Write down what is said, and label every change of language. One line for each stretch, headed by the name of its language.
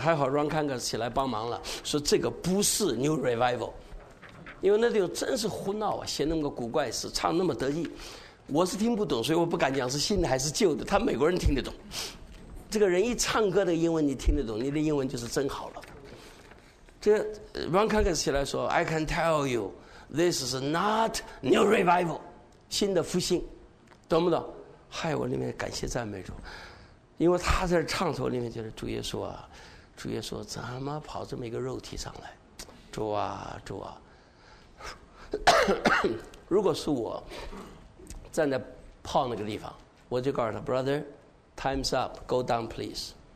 Chinese: 还好 Ron Kangas 起来帮忙了，说这个不是 New Revival， 因为那地方真是胡闹啊，写那么个古怪诗，唱那么得意。我是听不懂，所以我不敢讲是新的还是旧的，他美国人听得懂。这个人一唱歌的英文你听得懂，你的英文就是真好了。这 Ron Congress 起来说
English: I can tell you this is not new revival，
Chinese: 新的复兴，懂不懂？嗨，我里面感谢赞美主，因为他在唱的时候里面就是主耶稣啊，主耶稣怎么跑这么一个肉体上来，主啊主啊。如果是我站在炮那个地方，我就告诉他
English: Brother Time's up, go down please。